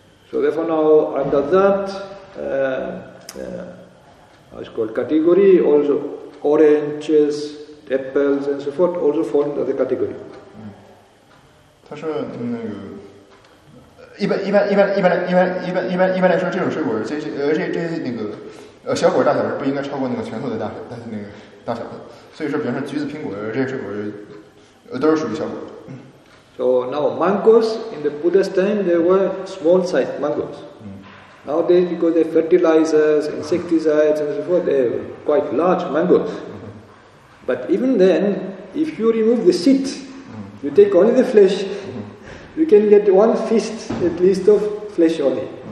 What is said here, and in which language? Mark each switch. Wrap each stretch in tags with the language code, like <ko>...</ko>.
<en>So therefore now under that it's called category, also oranges, apples and so forth also fall under the category.</en> <zh>它是那个一般来说这种水果这些小果大小是不应该超过那个拳头的大小，但是那个大小，所以说比方说橘子苹果这些水果都是属于小果。</zh> <en>So now mangoes in the Buddha's time they were small size mangoes. Nowadays because they fertilizers, insecticides and so forth, they are quite large mangoes. But even then, if you remove the seed, you take only the flesh, you can get one fist at least of flesh only.</en>